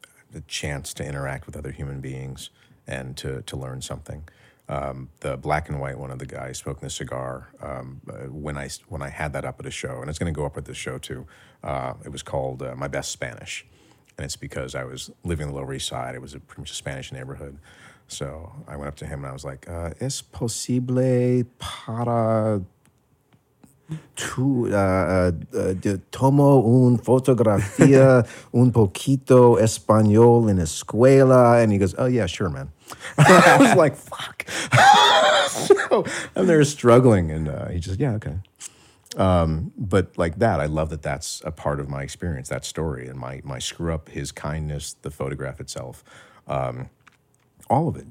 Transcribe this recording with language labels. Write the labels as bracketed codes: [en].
[en] The chance to interact with other human beings and to learn something. The black and white one of the guys smoking the cigar, when I had that up at a show, and it's going to go up at this show too, it was called My Best Spanish. And it's because I was living in the Lower East Side. It was a pretty much a Spanish neighborhood. [es] So I went up to him and I was like, ¿Es posible para tu, de tomo un fotografía un poquito español en escuela? [en] And he goes, oh yeah, sure, man. I was like, fuck. So, and they're struggling. And he just, yeah, okay. But like that, I love that that's a part of my experience, that story and my screw up, his kindness, the photograph itself, all of it.